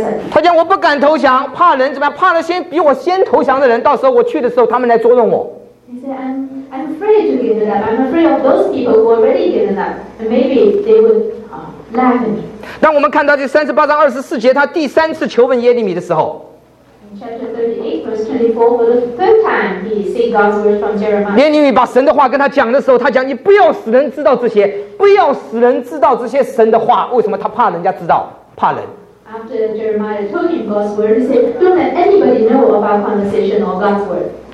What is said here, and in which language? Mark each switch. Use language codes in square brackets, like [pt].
[zh] 他讲我不敢投降，怕人怎么样？怕那些比我先投降的人，到时候我去的时候，他们来捉弄我。 [en] I'm afraid to give it up. I'm afraid of those people who already given up, and maybe they would laugh at me. [zh] 当我们看到第38章24节，他第三次求问耶利米的时候 [en] ，Chapter 38, verse 24, for the third time he seek God's word from Jeremiah. [zh] 耶利米把神的话跟他讲的时候，他讲你不要使人知道这些，不要使人知道这些神的话。为什么他怕人家知道？怕人。 [en] After Jeremiah told him God's word, he said, "Don't let anybody know about conversation or God's word."